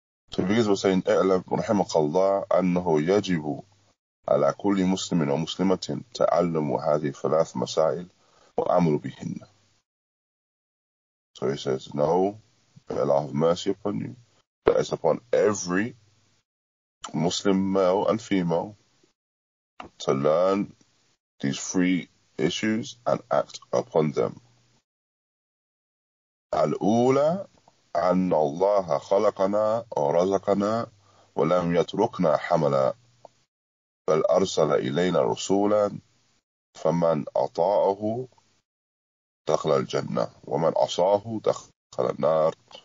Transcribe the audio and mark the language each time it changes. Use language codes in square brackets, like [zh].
[ar] So he begins by saying, اَعْلَمْ رَحِمَكَ اللَّهُ أَنَّهُ يَجِبُ عَلَىٰ كُلِّ مُسْلِمٍ وَمُسْلِمَةٍ تَعَلَّمُ هَذِهِ ثَلَاثَ مَسَائِلِ وَأَمْرُ بِهِنَّ. [en] So he says, know, may Allah have mercy upon you, that is upon every Muslim male and female to learn these three issues and act upon them. [ar] Al-Ula, أن الله خلقنا ورزقنا ولم يتركنا حملا بل أرسل إلينا رسولا فمن أطاعه دخل الجنة ومن عصاه دخل النار.